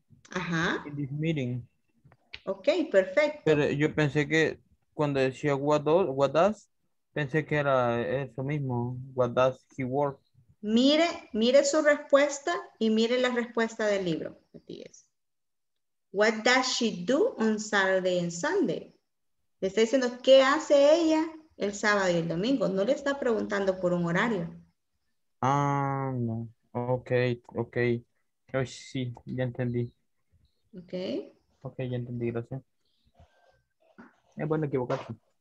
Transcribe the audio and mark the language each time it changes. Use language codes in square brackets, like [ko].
[en] Ajá. In this meeting. [es] Ok, perfecto. Pero yo pensé que cuando decía what does, pensé que era eso mismo, [en] what does he work. [es] Mire, mire su respuesta y mire la respuesta del libro. [en] What does she do on Saturday and Sunday? [es] Le está diciendo, ¿qué hace ella el sábado y el domingo? No le está preguntando por un horario. Ah, no. Ok, ok. Oh, sí, ya entendí. Ok. Ok, ya entendí, gracias. Es bueno equivocarse.